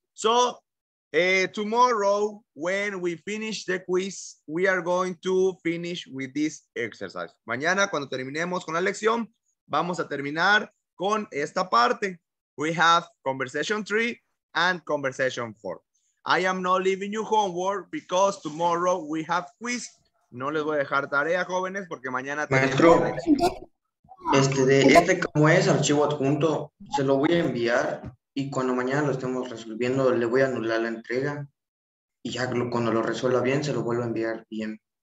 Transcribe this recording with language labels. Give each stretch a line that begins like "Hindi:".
English: So, tomorrow, when we finish the quiz, we are going to finish with this exercise.
Spanish: Mañana, cuando terminemos con la lección, vamos a terminar con esta parte.
English: We have conversation 3. And conversation 4. I am not leaving you homework because tomorrow we have quiz.
Spanish: No les voy a dejar tarea, jóvenes, porque mañana tenemos. Maestro, como es archivo adjunto, se lo voy a enviar y cuando mañana lo estemos resolviendo, le voy a anular la entrega y ya cuando lo resuelva bien, se lo vuelvo a enviar bien.